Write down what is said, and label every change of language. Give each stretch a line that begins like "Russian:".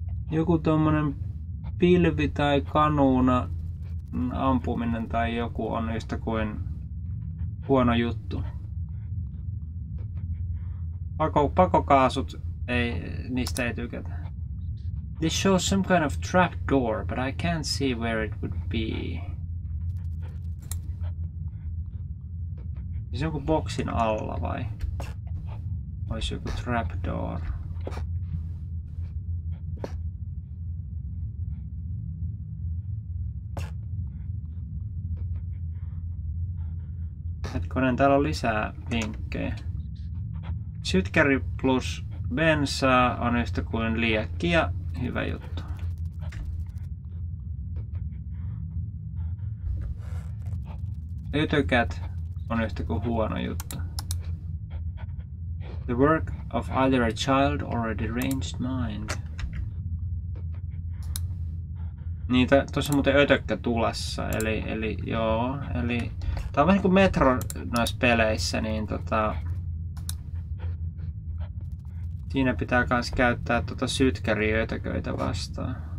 Finnish: Joku tommonen pilvi tai kanuuna ampuminen tai joku on yhtä kuin huono juttu. Pakokaasut, ei, niistä ei tykätä.
English: This shows some kind of trap door, but I can't see where it would be.
Finnish: Se on joku boksin alla vai? Olisi joku trap door. Hetkonen, täällä on lisää vinkkejä. Sytkäri plus bensaa on yhtä kuin liekkiä. Hyvä juttu. Ytökät on yhtä kuin huono juttu.
English: The work of either a child or a deranged mind.
Finnish: Niitä tuossa muuten ötökkä tulessa, eli joo, eli tää on vähän kuin Metro noissa peleissä, niin tota siinä pitää kans käyttää tota sytkäriötököitä vastaan.